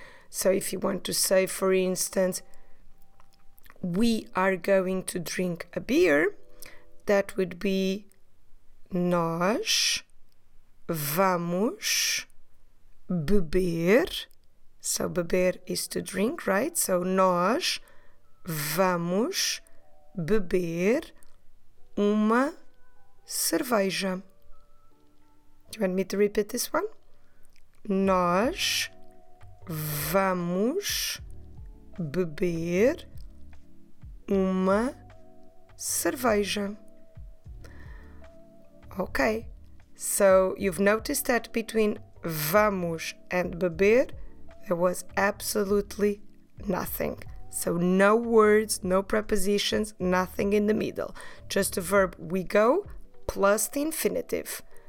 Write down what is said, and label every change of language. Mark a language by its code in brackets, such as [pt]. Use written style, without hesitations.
[en] So if you want to say, for instance, we are going to drink a beer, that would be [pt] nós vamos beber. [en] So beber is to drink, right? [pt] So nós vamos beber uma cerveja. [en] Do you want me to repeat this one? [pt] Nós vamos beber uma cerveja. [en] Okay, so you've noticed that between vamos and beber, there was absolutely nothing. So no words, no prepositions, nothing in the middle. Just the verb we go, plus the infinitive.